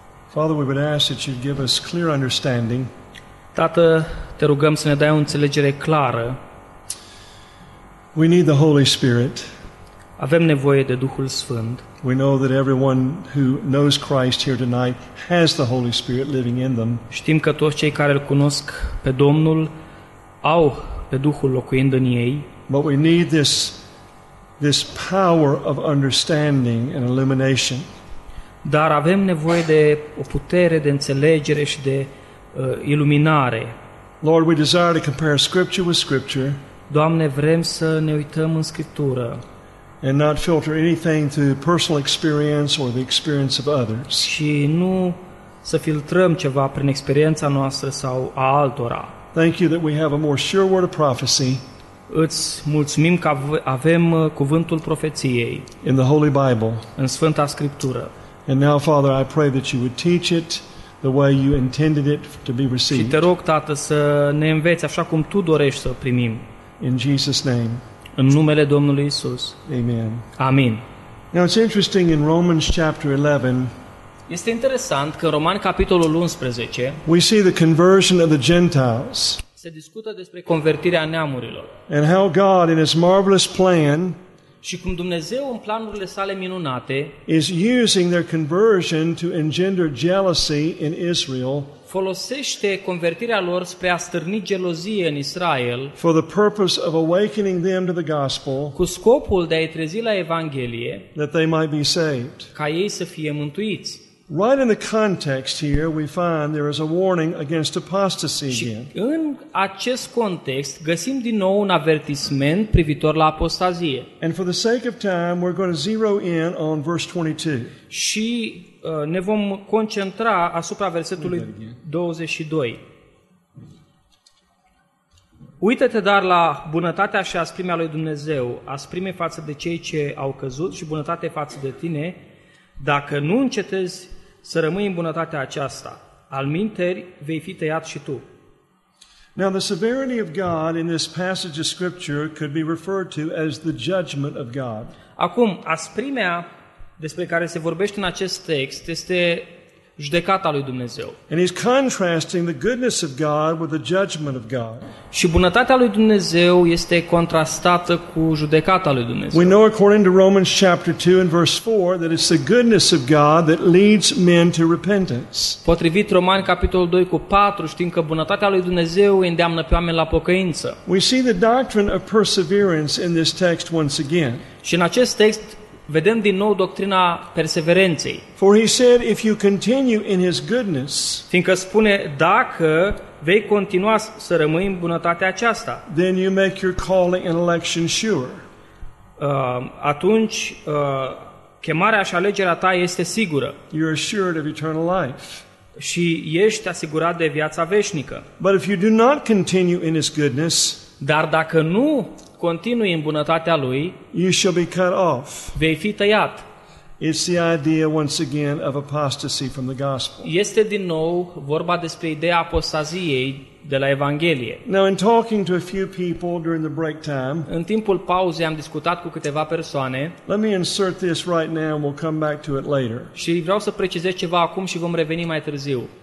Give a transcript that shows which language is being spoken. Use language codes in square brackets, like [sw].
[en] Father, we would ask that you give us clear understanding. [ro] Tată, te rugăm să ne dai o înțelegere clară. [en] We need the Holy Spirit. [ro] Avem nevoie de Duhul Sfânt. [en] We know that everyone who knows Christ here tonight has the Holy Spirit living in them. [ro] Știm că toți cei care îl cunosc pe Domnul au pe Duhul locuind în ei. [en] But we need this power of understanding and illumination. [ro] Dar avem nevoie de o putere de înțelegere și de iluminare. [en] Lord, we desire to compare scripture with scripture. [ro] Doamne, vrem să ne uităm în Scriptură. [en] And not filter anything through personal experience or the experience of others. [ro] Și nu să filtrăm ceva prin experiența noastră sau a altora. [en] Thank you that we have a more sure word of prophecy. [ro] Îți mulțumim că avem cuvântul profeției. [en] In the Holy Bible. [ro] În Sfânta Scriptură. [en] And now, Father, I pray that you would teach it the way you intended it to be received. [ro] Și te rog, Tată, să ne înveți așa cum tu dorești să primim. [en] In Jesus' name. [ro] În numele Domnului Isus. [en] Amen. [ro] Amin. [en] Now it's interesting in Romans chapter 11. [ro] Este interesant că în Romani capitolul 11. [en] We see the conversion of the Gentiles. [ro] Se discută despre convertirea neamurilor. [en] And how God in his marvelous plan. [ro] Și cum Dumnezeu în planurile sale minunate. [en] Is using their conversion to engender jealousy in Israel. [ro] Folosește convertirea lor spre a stârni gelozie în Israel. [en] For the purpose of awakening them to the gospel. [ro] Cu scopul de a-i trezi la evanghelie. [en] That they might be saved. [ro] Ca ei să fie mântuiți. [en] Right in the context here we find there is a warning against apostasy again. [ro] Și în acest context găsim din nou un avertisment privitor la apostazie. [en] And for the sake of time we're going to zero in on verse 22. [ro] Și ne vom concentra asupra versetului 22. Uită-te dar la bunătatea și asprimea lui Dumnezeu, asprime față de cei ce au căzut și bunătate față de tine, dacă nu încetezi să rămâi în bunătatea aceasta, alminteri vei fi tăiat și tu. [en] Now the severity of God in this passage of scripture could be referred to as the judgment of God. [ro] Acum, asprimea despre care se vorbește în acest text este judecata lui Dumnezeu. [en] And he's contrasting the goodness of God with the judgment of God. [ro] Și bunătatea lui Dumnezeu este contrastată cu judecata lui Dumnezeu. [en] We know according to Romans chapter 2 and verse 4 that it's the goodness of God that leads men to repentance. [ro] Potrivit Romani capitolul 2 cu 4, știm că bunătatea lui Dumnezeu îndeamnă pe oameni la pocăință. [en] We see the doctrine of perseverance in this text once again. [ro] Și în acest text vedem din nou doctrina perseverenței. [en] For he said, if you continue in his goodness, [ro] fiindcă spune, dacă vei continua să rămâi în bunătatea aceasta, [en] then you make your calling and election sure. [ro] Atunci chemarea și alegerea ta este sigură. [en] You're assured of eternal life. [ro] Și ești asigurat de viața veșnică. [en] But if you do not continue in his goodness, [ro] dar dacă nu continui în bunătatea lui, [en] you shall be cut off. [ro] Vei fi tăiat. [en] It's the idea once again of apostasy from the gospel. [ro] Este din nou vorba despre ideea apostaziei de la Evanghelie. [en] Now, in talking to a few people during the break time, [ro] în timpul pauzei am discutat cu câteva persoane. [en] Let me insert this right now and we'll come back to it later. [ro] Și vreau să precizez ceva acum și vom reveni mai târziu.